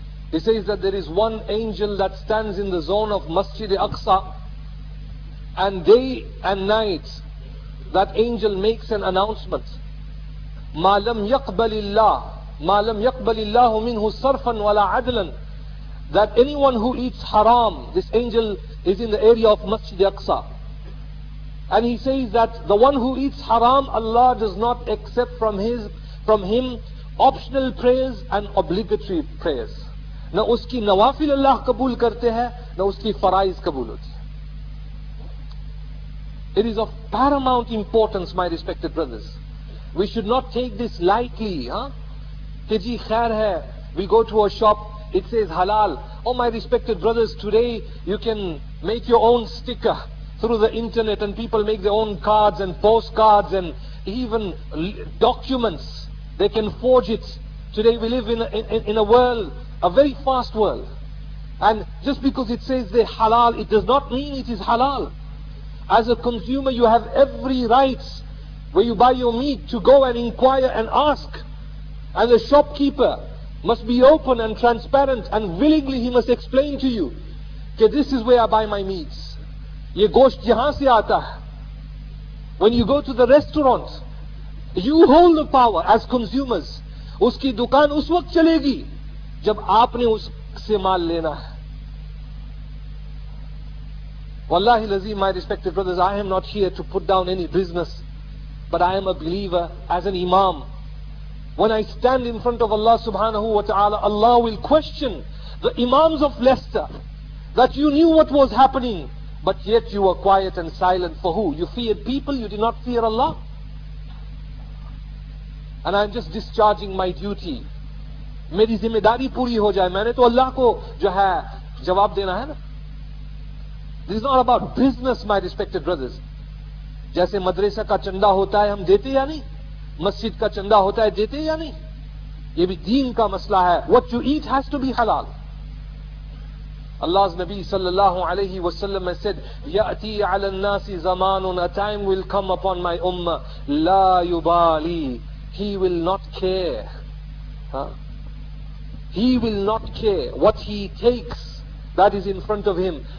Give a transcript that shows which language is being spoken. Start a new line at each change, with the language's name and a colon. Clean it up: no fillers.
English: He says that there is one angel that stands in the zone of Masjid Aqsa, and day and night that angel makes an announcement,
Arabic: ma lam yaqbalillahu minhu sarfan wala adlan,
English: that anyone who eats haram, this angel is in the area of Masjid Aqsa, and he says that the one who eats haram, Allah does not accept from him optional prayers and obligatory prayers.
Urdu: نہ اس کی نوافل اللہ قبول کرتے ہیں نہ اس کی فرائض قبول ہوتی ہے.
English: It is of paramount importance, my respected brothers. We should not take this lightly.
Urdu: کہ جی خیر ہے,
English: we go to a shop, it says halal. Oh my respected brothers, today you can make your own sticker through the internet, and people make their own cards and postcards and even documents. They can forge it. Today we live in a world, a very fast world, and just because it says they halal, it does not mean it is halal. As a consumer, you have every right where you buy your meat to go and inquire and ask, and the shopkeeper must be open and transparent, and willingly he must explain to you, okay, this is where I buy my meats,
Urdu: ye gosht yahan se aata hai.
English: When you go to the restaurant, you hold the power as consumers.
Urdu: Uski dukaan us waqt chalegi جب آپ نے اس سے مال لینا ہے.
English: واللہ العظیم, my respected brothers, I am not here to put down any business, but I am a believer. As an imam, when I stand in front of Allah subhanahu wa ta'ala, Allah will question the imams of Leicester, that you knew what was happening, but yet you were quiet and silent. For who? You feared people, you did not fear Allah. And I am just discharging my duty.
Urdu: میری ذمہ داری پوری ہو جائے, میں نے تو اللہ کو جو ہے جواب دینا ہے نا.
English: This is not about business, my respected brothers.
Urdu: جیسے مدرسہ کا چندہ ہوتا ہے ہم دیتے یا نہیں, مسجد کا چندہ ہوتا ہے دیتے یا نہیں, یہ بھی دین کا مسئلہ ہے.
English: What you eat has to be halal. اللہ نبی صلی اللہ علیہ وسلم said,
Arabic: يأتي على الناس زمان,
English: a time will come upon my ummah,
Arabic: لا يبالي,
English: he will not care. He will not care what he takes that is in front of him.